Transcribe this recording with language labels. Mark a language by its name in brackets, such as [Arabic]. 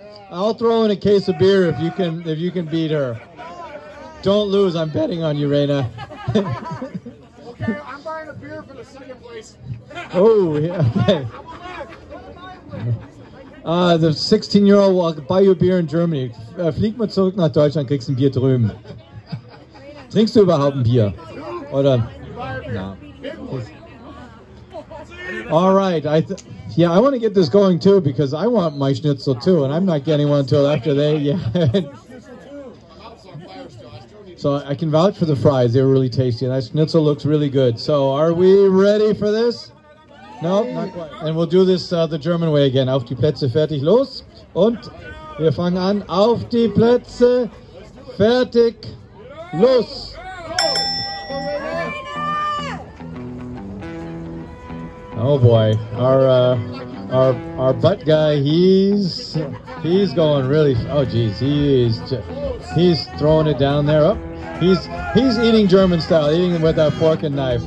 [English] I'll throw in a case of beer if you can beat her. Don't lose. I'm betting on you, Raina. Okay, I'm buying a beer for the second place. Oh, okay. The 16-year-old will buy you a beer in Germany. [German] Flieg mal zurück nach Deutschland, kriegst ein Bier drüben. Trinkst du überhaupt ein Bier? Oder? [English] No. All right. I want to get this going too because I want my schnitzel too, and I'm not getting one until after they. Yeah. So I can vouch for the fries. They're really tasty, and that schnitzel looks really good. So are we ready for this? No, nope, not quite. And we'll do this the German way again. [German] Auf die Plätze, fertig, los. Und wir fangen an. Auf die Plätze, fertig, los. [English] Oh boy, our butt guy, he's going really. Oh geez, he's throwing it down there. Oh, he's eating German style, eating with a fork and knife.